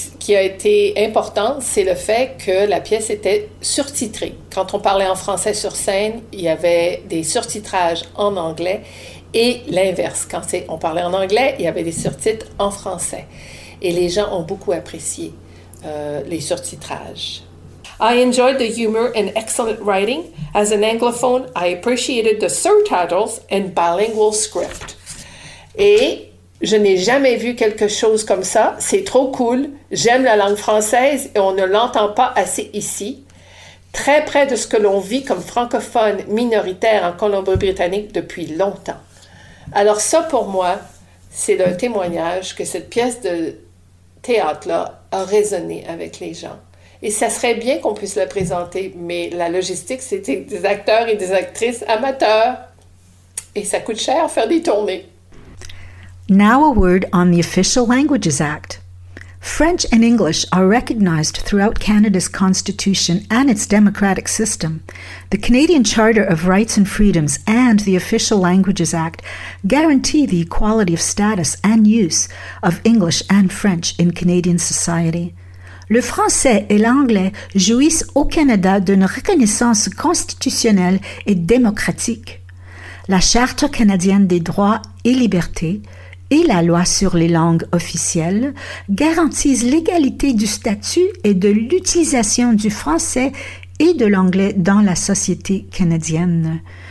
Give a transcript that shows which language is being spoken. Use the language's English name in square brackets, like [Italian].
[French] qui a été important, c'est le fait que la pièce était surtitrée. Quand on parlait en français sur scène, il y avait des surtitrages en anglais et l'inverse. Quand on parlait en anglais, il y avait des surtitres en français. Et les gens ont beaucoup apprécié les surtitrages. [English] I enjoyed the humor and excellent writing. As an anglophone, I appreciated the surtitles and bilingual script. [French] Et je n'ai jamais vu quelque chose comme ça. C'est trop cool. J'aime la langue française et on ne l'entend pas assez ici. Très près de ce que l'on vit comme francophone minoritaire en Colombie-Britannique depuis longtemps. Alors ça, pour moi, c'est le témoignage que cette pièce de théâtre-là a résonné avec les gens. Et ça serait bien qu'on puisse la présenter, mais la logistique, c'était des acteurs et des actrices amateurs. Et ça coûte cher faire des tournées. [English] Now a word on the Official Languages Act. French and English are recognized throughout Canada's constitution and its democratic system. The Canadian Charter of Rights and Freedoms and the Official Languages Act guarantee the equality of status and use of English and French in Canadian society. [French] Le français et l'anglais jouissent au Canada d'une reconnaissance constitutionnelle et démocratique. La Charte canadienne des droits et libertés et la loi sur les langues officielles garantissent l'égalité du statut et de l'utilisation du français et de l'anglais dans la société canadienne.